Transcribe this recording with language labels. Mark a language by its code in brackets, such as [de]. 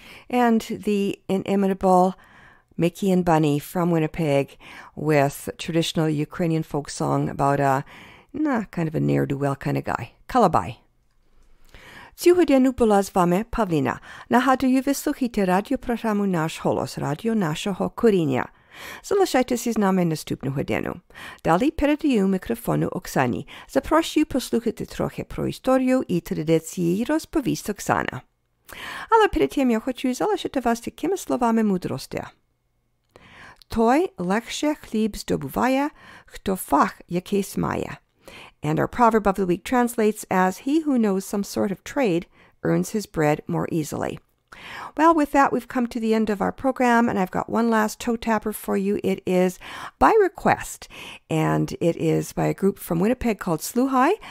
[en] And the inimitable Mickey and Bunny from Winnipeg with a traditional Ukrainian folk song about a kind of a ne'er-do-well kind of guy. Kalabai. [uk] Сьогодні була з вами Павліна. Нагадую, ви слухаєте радіопрограму «Наш голос», радіо нашого коріння. Залишайтеся з нами наступну годину. Далі передаю мікрофону Оксані. Запрошую послухати трохи про історію і традиції і розповість Оксана. Але перед тим я хочу залишити вас такими словами мудрості. Той легше хліб здобуває, хто фах якийсь має. [en] And our proverb of the week translates as, he who knows some sort of trade earns his bread more easily. Well, with that, we've come to the end of our program, and I've got one last toe tapper for you. It is by request, and it is by a group from Winnipeg called Sluhai.